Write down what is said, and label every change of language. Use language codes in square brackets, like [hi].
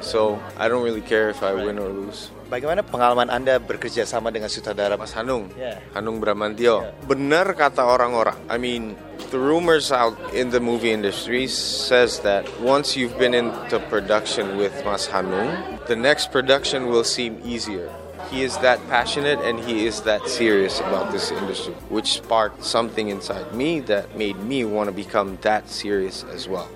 [en] So I don't really care if I win or lose. [id] Bagaimana pengalaman Anda bekerja sama dengan sutradara Mas Hanung? Hanung Bramantio. Benar kata orang-orang. [en] I mean, the rumors out in the movie industry says that once you've been into production with Mas Hanung, the next production will seem easier. he is that passionate and he is that serious about this industry, which sparked something inside me that made me want to become that serious as well.